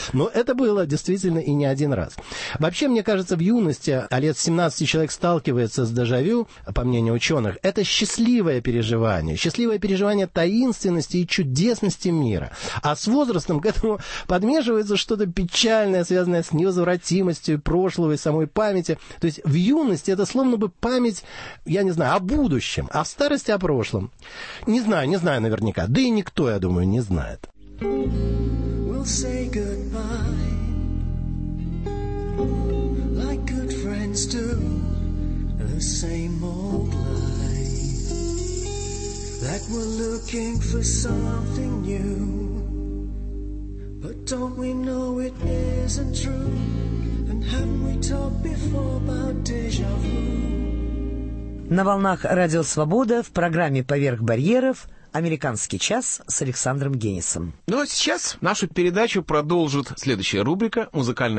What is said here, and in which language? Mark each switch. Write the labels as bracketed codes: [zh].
[ru] Но это было действительно и не один раз. Вообще, мне кажется, в юности, а лет 17 человек сталкивается с дежавю, по мнению ученых, это счастливое переживание таинственности и чудесности мира. А с возрастом к этому подмешивается что-то печальное, связанное с невозвратимостью прошлого и самой памяти. То есть в юности это словно бы память, я не знаю, о будущем, а в старости о прошлом. Не знаю, не знаю наверняка. Да и никто, я думаю, не знает. [en] We'll say goodbye, like good friends do, the same old life. That we're looking for something new. But don't we know it isn't true? And haven't we talked before about déjà vu? [ru] На волнах «Радио Свобода» в программе «Поверх барьеров» «Американский час» с Александром Генисом. Ну а сейчас нашу передачу продолжит следующая рубрика «Музыкальная